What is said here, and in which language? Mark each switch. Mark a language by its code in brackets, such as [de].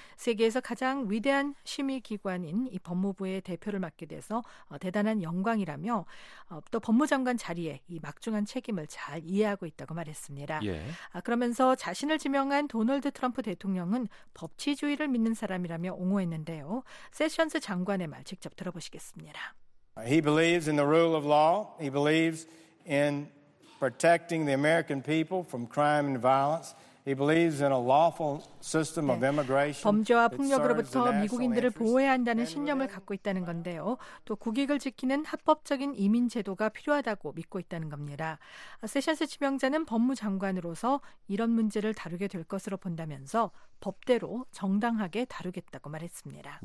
[ko] 세계에서 가장 위대한 심의기관인 이 법무부의 대표를 맡게 돼서 대단한 영광이라며 또 법무장관 자리에 이 막중한 책임을 잘 이해하고 있다고 말했습니다. 예. 그러면서 자신을 지명한 도널드 트럼프 대통령은 법치주의를 믿는 사람이라며 옹호했는데요. 세션스 장관의 말 직접 들어보시겠습니다. [en] He believes in the rule of law. He believes in protecting the American people from crime and violence. He believes in a lawful system of immigration. [ko] 범죄와 폭력으로부터 미국인들을 보호해야 한다는 신념을 갖고 있다는 건데요. 또 국익을 지키는 합법적인 이민 제도가 필요하다고 믿고 있다는 겁니다. 세션스 지명자는 법무장관으로서 이런 문제를 다루게 될 것으로 본다면서 법대로 정당하게 다루겠다고 말했습니다.